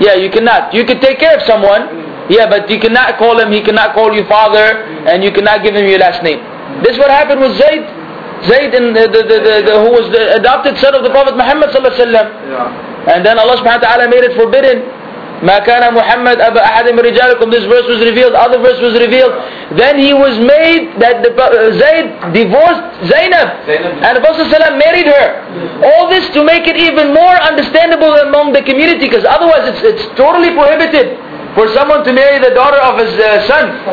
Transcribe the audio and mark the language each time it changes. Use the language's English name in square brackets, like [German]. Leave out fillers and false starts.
[English] Yeah, you cannot. You can take care of someone, but you cannot call him, he cannot call you father, and you cannot give him your last name. This is what happened with Zayd. Zayd, in the who was the adopted son of the Prophet Muhammad sallallahu alaihi wasallam, and then Allah subhanahu wa ta'ala made it forbidden. [Arabic] ما كان محمد أبا أحد من رجالكم. [English] This verse was revealed. Other verse was revealed. Then he was made that Zayd divorced Zainab, and the Prophet ﷺ married her. All this to make it even more understandable among the community, because otherwise it's totally prohibited for someone to marry the daughter of his son.